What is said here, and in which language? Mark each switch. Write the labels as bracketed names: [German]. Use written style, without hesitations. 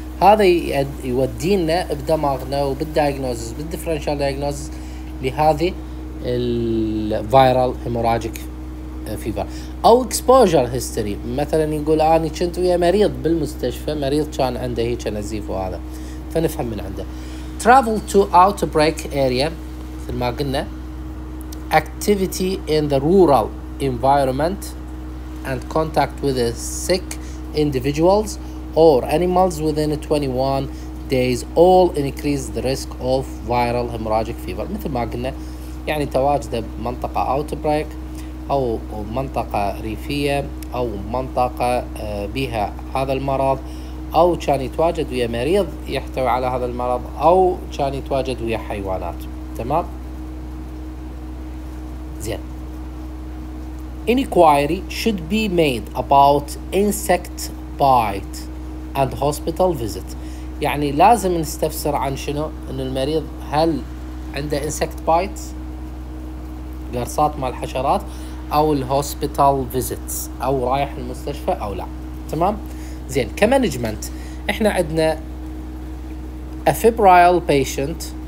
[Arabic] هذا يودينا بدماغنا وبالدياجنوزز بالديفرنشال دياجنوزز لهذه الفيرال هيموراجيك فيفر او اكسبوجر هيستوري. مثلا يقول اني كنت ويا مريض بالمستشفى، مريض كان عنده هيك نزيف وهذا، فنفهم من عنده. [English] Travel to outbreak area [Arabic] مثل ما قلنا. [English] Activity in the rural environment and contact with the sick individuals or animals within 21 days all increase the risk of viral hemorrhagic fever. [Arabic] مثل ما قلنا يعني تواجد بمنطقة outbreak أو منطقة ريفية أو منطقة بها هذا المرض، أو كان يتواجد ويا مريض يحتوي على هذا المرض، أو كان يتواجد ويا حيوانات. تمام؟ زين. [English] Inquiry should be made about insect bite and hospital visit. [Arabic] يعني لازم نستفسر عن شنو؟ إن المريض هل عنده insect bite؟ قرصات مع الحشرات؟ أو الهوسبيتال فيزيتس أو رايح المستشفى أو لا. تمام؟ زين. كمانجمنت إحنا عندنا أفيبريل بيشنت.